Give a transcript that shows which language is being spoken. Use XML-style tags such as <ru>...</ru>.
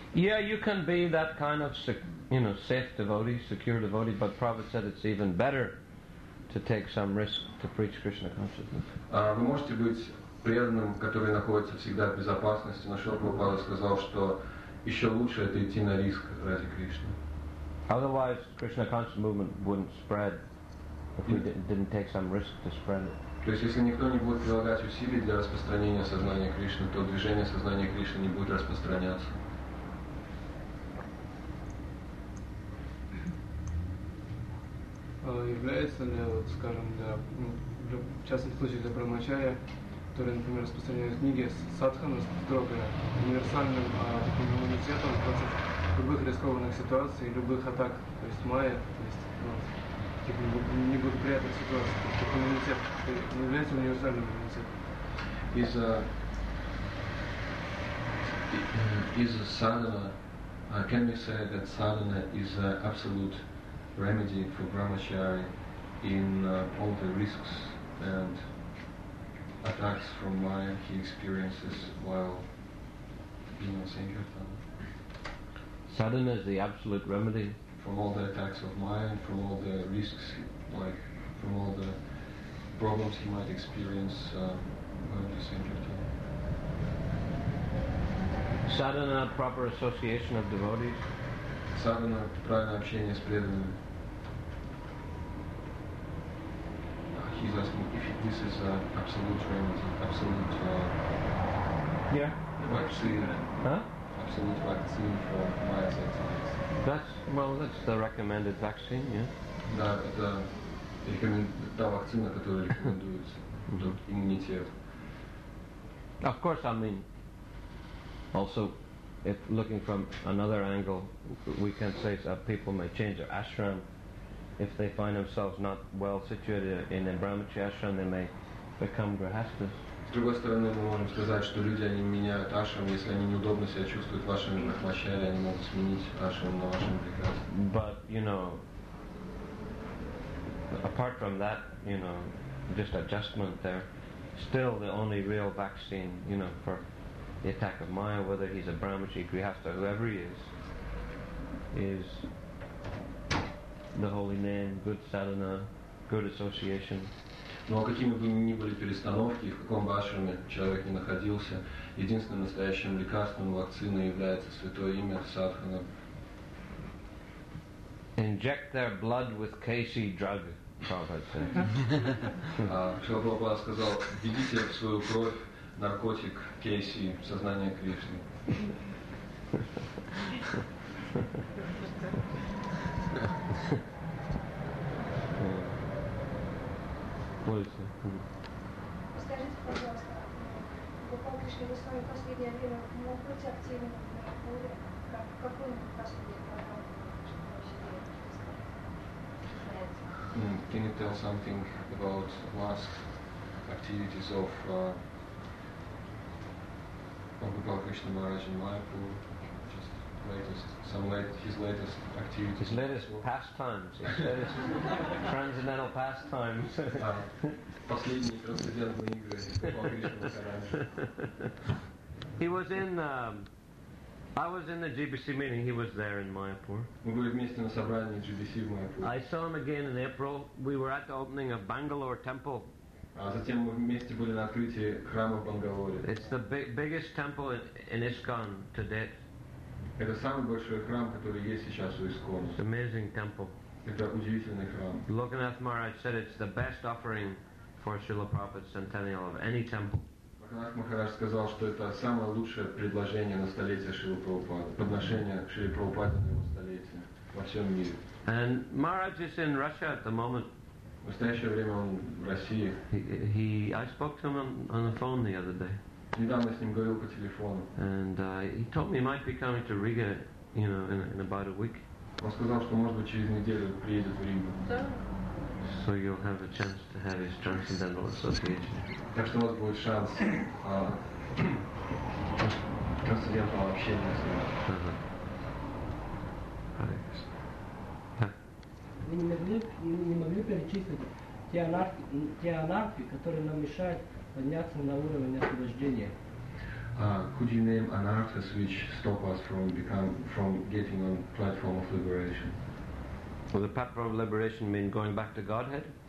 <en>Yeah, you can be that kind of safe devotee, secure devotee. But Prabhupada said it's even better to take some risk to preach Krishna consciousness.</en> <ru>Вы можете быть преданным, который находится всегда в безопасности. Но Шрила Прабхупада сказал, что еще лучше это идти на риск ради Кришны.</ru> <en>Otherwise, Krishna consciousness movement wouldn't spread. If we didn't take some risk to spread it.</en> <ru>То есть, если никто не будет прилагать усилий для распространения сознания Кришны, то движение сознания Кришны не будет распространяться. Является ли, вот, скажем, для частных случаев для брахмачари, которые, например, распространяют книги садхана строгая, универсальным таким иммунитетом любых рискованных ситуаций, любых атак, то есть майя, то есть ну, типа, неблагоприятных ситуаций, то есть иммунитет, не является универсальным иммунитетом.</ru> <en>Is sadhana, can we say that sadhana is an absolute remedy for brahmacharya in all the risks and attacks from maya he experiences while being a sankirtan? Sadhana is the absolute remedy? From all the attacks of maya and from all the risks, like from all the problems he might experience while being a sankirtan. Sadhana, proper association of devotees.</en> <ru>Sadhana, правильное общение с преданными.</ru> <en>He's asking if this is an absolute remedy, absolute. Yeah. Vaccine. Huh? Absolute vaccine for Maya sentiments. That's the recommended vaccine, yeah.</en> <ru>Да, это та вакцина, которая рекомендуется, иммунитет.</ru> <en>Of course, I mean. Also, if looking from another angle, we can say that people may change their ashram. If they find themselves not well situated in a brahmacharya ashram, they may become grihasthas.</en> <ru>С другой стороны, мы можем сказать, что люди они меняют ашрам, если они неудобно себя чувствуют в вашем брахмачаре, они могут сменить ашрам на вашем грихасте.</ru> <en>But you know, apart from that, you know, just adjustment there, still the only real vaccine, you know, for the attack of Maya, whether he's a Brahmachari, Grihastha, whoever he is the holy name, good sadhana, good association.</en> <ru>Ну а какими бы ни были перестановки, в каком бы ашраме человек ни находился, единственным настоящим лекарством вакцины является святое имя садхана.</ru> <en>Inject their blood with KC drug, Prabhupada said.</en> <ru>Шрила Прабхупада сказал, введите в свою кровь наркотик Кейси, сознание Кришны. Пользуйся. Скажите, пожалуйста, Гопал Кришна Госвами в последнее время мог быть активен в Майяпуре? Какой-нибудь последний программ?</ru> <en>Can you tell something about last activities of Gopal Krishna Maharaj in Mayapur, just latest, his latest activities. His latest pastimes, his latest transcendental pastimes.</en> <ru>Последние трансцендентные игры Гопал Кришна</ru> <en>Махараджа. He was in, I was in the GBC meeting, he was there in Mayapur.</en> <ru>Мы были вместе на собрании GBC в Майяпуре.</ru> <en>I saw him again in April, we were at the opening of Bangalore temple.</en> <ru>Затем мы вместе были на открытии храма в Бангалоре.</ru> <en>It's the biggest temple in ISKCON to date.</en> <ru>Это самый большой храм, который есть сейчас у ISKCON.</ru> <en>It's an amazing temple.</en> <ru>Это удивительный храм.</ru> <en>Lokanath Maharaj said it's the best offering for Srila Prabhupada's centennial of any temple.</en> <ru>Lokanath Maharaj сказал, что это самое лучшее предложение на столетие Шрилы Прабхупады, подношение к Шриле Прабхупаде на его столетие во всем мире.</ru> <en>And Maharaj is in Russia at the moment.</en> <ru>В настоящее время он в России.</ru> <en>I spoke to him on the phone the other day.</en> <ru>Недавно с ним говорил по телефону.</ru> <en>And he told me he might be coming to Riga, you know, in about a week.</en> <ru>Он сказал, что может быть через неделю приедет в Ригу.</ru> <en>So you'll have a chance to have his transcendental association.</en> <ru>Так что у вас будет шанс трансцендентного общения с ним. Вы не могли перечислить те анархии, которые нам мешают подняться на уровень освобождения?</ru> <en>Could you name anarchies which stop us from getting on platform of liberation? Well, the platform of liberation mean going back to Godhead?</en>